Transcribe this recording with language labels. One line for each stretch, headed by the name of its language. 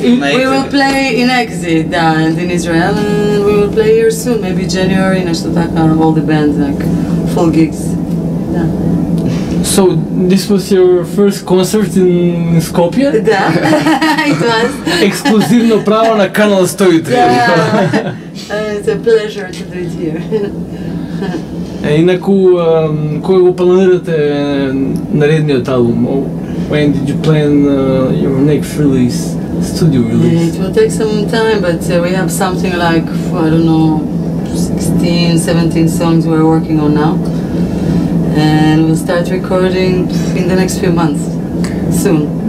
English: We will play in Exit, da, and in Israel, and we will play here soon, maybe January,
Serbian: nešto tako,
English: all the bands, like, full gigs.
Serbian: Da.
English: So, this was your first concert in Skopje?
Serbian: Da,
English: it was.
Macedonian: Ексклузивно право на канал 103.
English: Yeah, it's a pleasure to do it here.
Macedonian: Инаку, кој го планирате наредниот албум?
English: When did you plan your next release, studio release? Yeah, it will take some time, but we have something like, I don't know, 16, 17 songs we're working on now. And we'll start recording in the next few months, soon.